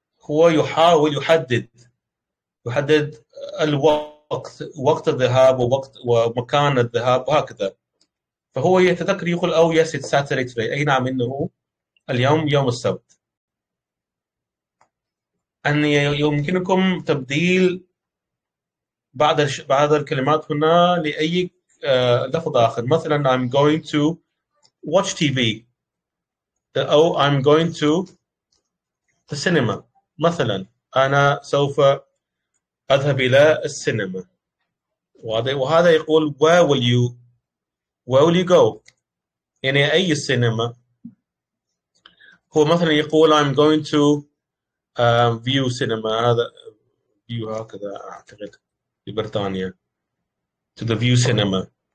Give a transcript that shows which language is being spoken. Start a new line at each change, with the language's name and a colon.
Arabic: هو يحاول يحدد الوقت، وقت الذهاب ووقت ومكان الذهاب وهكذا. فهو يتذكر يقول
English: oh yes it's Saturday today.
Arabic: أي نعم إنه اليوم يوم السبت. أن يمكنكم تبديل بعض الكلمات هنا لأي لفظ آخر.
English: مثلا I'm going to watch TV، أو I'm going to the cinema.
Arabic: مثلا أنا سوف أذهب إلى السينما. وهذا يقول
English: where will you go،
Arabic: يعني أي السينما. هو مثلا يقول
English: I'm going to view cinema، هذا view
Arabic: هكذا أعتقد في بريطانيا،
English: to the view cinema.